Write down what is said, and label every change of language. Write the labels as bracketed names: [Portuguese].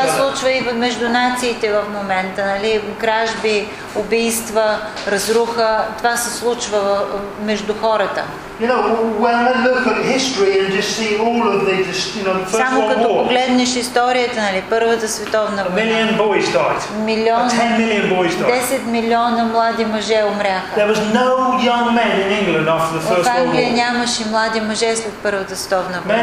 [Bulgarian] Това случва и между нациите в момента, нали? Кражби, убийства, разруха, това се случва между хората. [English] You know, when I look at history and just see all of the, just, you know, the first [Bulgarian] Само [English] world war. [Bulgarian] Само като погледнеш историята, нали, Първата световна война. [English] A million boys died. [Bulgarian] Милион. [English] 10 million boys died. [Bulgarian] 10 милиона млади мъже умряха. [English] There was no young men in England after the first world war. [Bulgarian] В Англия нямаше млади мъже след Първата световна война.